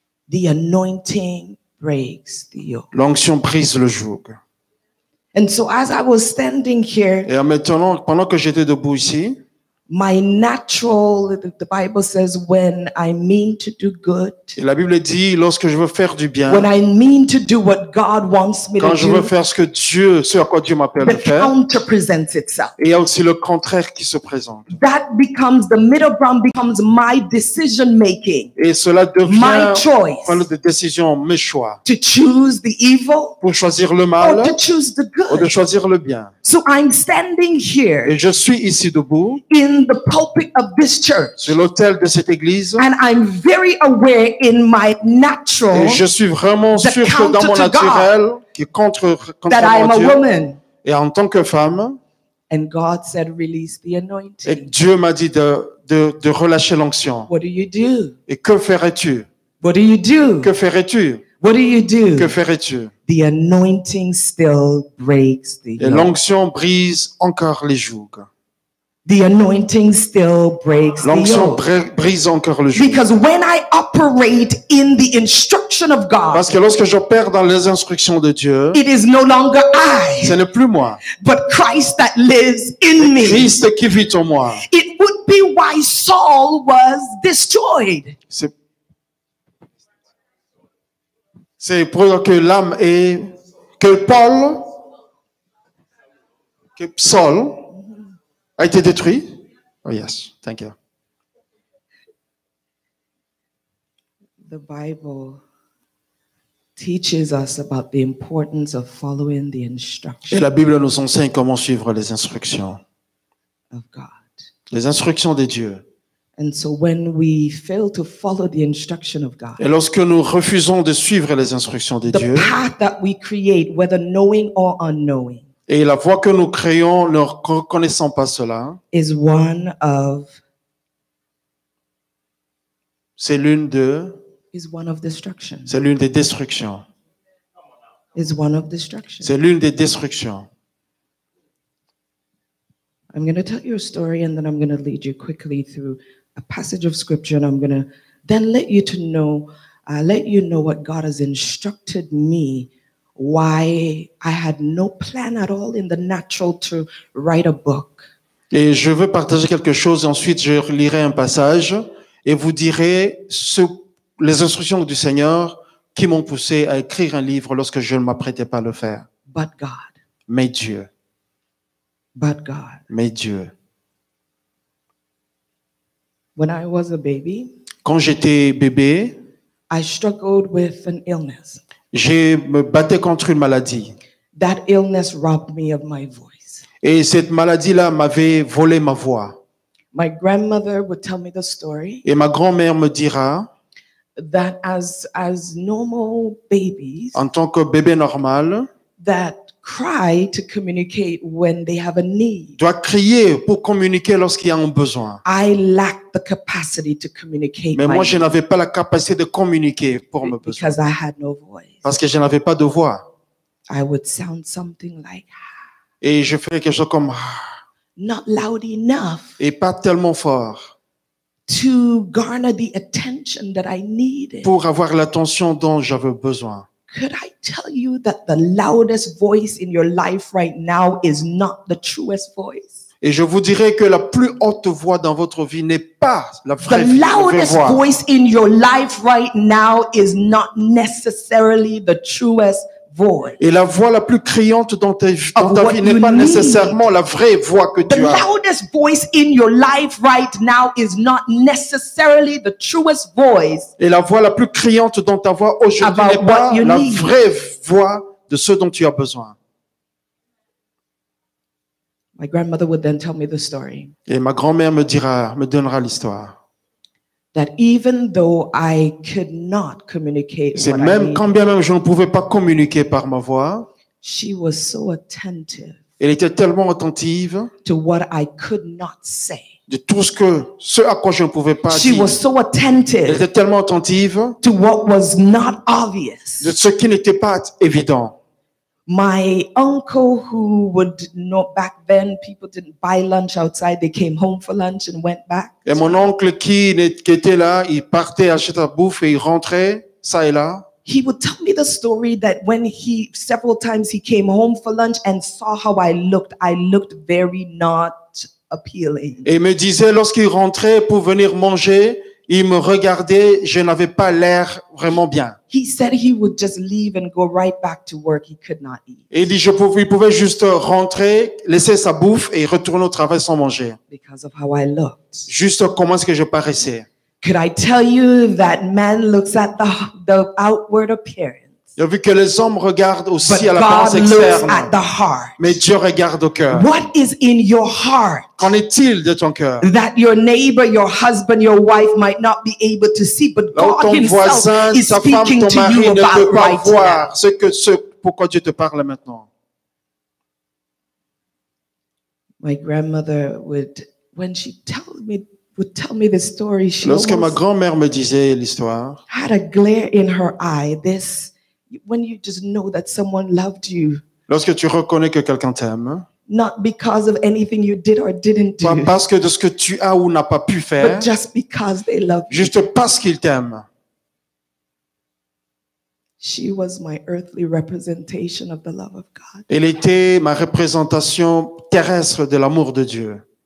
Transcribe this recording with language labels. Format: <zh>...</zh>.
<en>The anointing breaks the yoke.</en> <fr>L'onction brise le joug.</fr> <en>And so as I was standing here,</en> <fr>et en maintenant, pendant que j'étais debout ici,</fr> <en>my natural, the Bible says, when I mean to do good.</en> <fr>Et la Bible dit lorsque je veux faire du bien.</fr> <en>When I mean to do what God wants me to do.</en> <fr>Quand je veux faire ce que Dieu, ce à quoi Dieu m'appelle à faire.</fr> <en>The counter presents itself.</en> <fr>Et il y a aussi le contraire qui se présente.</fr> <en>That becomes the middle ground, becomes my decision making.</en> <fr>Et cela devient</fr> <en>my choice.</en> <fr>Point de décision, mes choix.</fr> <en>To choose the evil.</en> <fr>Pour choisir le mal.</fr> <en>Or to choose the good.</en> <fr>Ou de choisir le bien.</fr> <en>So I'm standing here.</en> <fr>Et je suis ici debout.</fr> <en>In the pulpit of this church.</en> <fr>Sur l'autel de cette église.</fr> <en>And I'm very aware in my natural.</en> <fr>Et je suis vraiment sûr que dans mon naturel, qui contre</fr> <en>that I am a woman.</en> <fr>Et en tant que femme.</fr> <en>And God said, release the anointing.</en> <fr>Et Dieu m'a dit de relâcher l'onction.</fr> <en>What do you do?</en> <fr>Et que ferais-tu?</fr> <en>What do you do?</en> <fr>Que ferais-tu?</fr> <en>What do you do?</en> <fr>Que ferais-tu?</fr> <en>The anointing still breaks the yoke.</en> <fr>Et l'onction brise encore les jougs.</fr> <en>The anointing still breaks</en> <fr>l'onction</fr> <en>the yoke.</en> <fr>Brise encore le joug.</fr> <en>Because when I operate in the instruction of God,</en> <fr>parce que lorsque j'opère dans les instructions de Dieu,</fr> <en>it is no longer I,</en> <fr>ce n'est plus moi,</fr> <en>but Christ that lives in me.</en> <fr>Christ qui vit en moi.</fr> <en>It would be why Saul was destroyed.</en> <fr>C'est pour que l'âme est que Saul a été détruit.</fr> <en>Oh yes, thank you. The Bible teaches us about the importance of following the instructions.</en> <fr>Et la Bible nous enseigne comment suivre les instructions.</fr> <en>Of God.</en> <fr>Les instructions de Dieu.</fr> <en>And so when we fail to follow the instruction of God,</en> <fr>et lorsque nous refusons de suivre les instructions de Dieu,</fr> <en>the path that we create, whether knowing or unknowing,</en> <fr>et la voie que nous créons, ne reconnaissant pas cela,</fr> <en>is one of,</en> <fr>c'est l'une de,</fr> <en>is one of destruction.</en> <fr>C'est l'une des destructions.</fr> <en>Is one of destruction.</en> <fr>C'est l'une des destructions.</fr> <en>I'm going to tell you a story and then I'm going to lead you quickly through a passage of scripture and I'm going to then let you to know, let you know what God has instructed me, why I had no plan at all in the natural to write a book.</en> <fr>Et je veux partager quelque chose et ensuite je lirai un passage et vous direz les instructions du Seigneur qui m'ont poussé à écrire un livre lorsque je ne m'apprêtais pas à le faire.</fr> <en>But God.</en> <fr>Mais Dieu.</fr> <en>But God.</en> <fr>Mais Dieu.</fr> <en>When I was a baby,</en> <fr>quand j'étais bébé,</fr> <en>I struggled with an illness.</en> <fr>Je me battais contre une maladie.</fr> <en>That illness robbed me of my voice.</en> <fr>Et cette maladie-là m'avait volé ma voix.</fr> <en>My grandmother would tell me the story.</en> <fr>Et ma grand-mère me dira</fr> <en>that as normal babies,</en> <fr>en tant que bébé normal,</fr> <en>that cry to communicate when they have a need.</en> <fr>Doit crier pour communiquer lorsqu'il y a un besoin.</fr> <en>I lacked the capacity to communicate.</en> <fr>Mais moi, je n'avais pas la capacité de communiquer pour mes besoins.</fr> <en>Because I had no voice.</en> <fr>Parce que je n'avais pas de voix.</fr> <en>I would sound something like.</en> <fr>Et je ferais quelque chose comme.</fr> <en>Not loud enough.</en> <fr>Et pas tellement fort.</fr> <en>To garner the attention that I needed.</en> <fr>Pour avoir l'attention dont j'avais besoin.</fr> <en>Could I tell you that the loudest voice in your life right now is not the truest voice?</en> <fr>Et je vous dirai que la plus haute voix dans votre vie n'est pas la vraie voix.</fr> <en>The loudest voice in your life right now is not necessarily the truest voice.</en> <fr>Et la voix la plus criante dans ta vie n'est pas nécessairement la vraie voix que tu as.</fr> <en>The loudest voice in your life right now is not necessarily the truest voice.</en> <fr>Et la voix la plus criante dans ta voix aujourd'hui n'est pas la vraie voix de ce dont tu as besoin.</fr> <en>My grandmother would then tell me the story.</en> <fr>Et ma grand-mère me donnera l'histoire.</fr> <en>That even though I could not communicate,</en> <fr>c'est même quand bien même je ne pouvais pas communiquer par ma voix,</fr> <en>she was so attentive.</en> <fr>Elle était tellement attentive.</fr> <en>To what I could not say.</en> <fr>De tout ce à quoi je ne pouvais pas</fr> <en>she</en> <fr>dire.</fr> <en>Was so attentive.</en> <fr>Elle était tellement attentive.</fr> <en>To what was not obvious.</en> <fr>De ce qui n'était pas évident.</fr> <en>My uncle, who would not back then, people didn't buy lunch outside. They came home for lunch and went back.</en> <fr>Et mon oncle qui était là, il partait acheter la bouffe et il rentrait ça et là.</fr> <en>He would tell me the story that when he several times he came home for lunch and saw how I looked very not appealing.</en> <fr>Et me disait lorsqu'il rentrait pour venir manger. Il me regardait, je n'avais pas l'air vraiment bien.</fr> <en>He said he would just leave and go right back to work. He could not eat.</en> <fr>Et il dit, il pouvait juste rentrer, laisser sa bouffe et retourner au travail sans manger.</fr> <en>Because of how I looked.</en> <fr>Juste comment est-ce que je paraissais.</fr> <en>Could I tell you that man looks at the outward appearance?</en> <fr>Il a vu que les hommes regardent aussi à l'apparence externe. Mais Dieu regarde au cœur.</fr> <en>What is in your heart?</en> <fr>Qu'en est-il de ton cœur?</fr> <en>That your neighbor, your husband, your wife might not be able to see, but God himself</en> <fr>ton voisin,</fr> <en>is speaking</en> <fr>ton mari</fr> <en>to you</en> <fr>ne</fr> <en>about</en> <fr>peut pas</fr> <en>right</en> <fr>voir</fr> <en>now.</en> <fr>Ce que ce pourquoi Dieu te parle maintenant.</fr> <en>My grandmother would, when she told me, would tell me the story, she</en> <fr>lorsque ma grand-mère me disait l'histoire,</fr> <en>had a glare in her eye, this when you just know that someone loved you.</en> <fr>Lorsque tu reconnais que quelqu'un t'aime.</fr> <en>Not because of anything you did or didn't do.</en> <fr>Pas parce que de ce que tu as ou n'as pas pu faire.</fr> <en>But just because they love you.</en> <fr>Juste parce qu'ils t'aiment.</fr> <en>She was my earthly representation of the love of God.</en> <fr>Elle était ma représentation terrestre de l'amour de Dieu.</fr>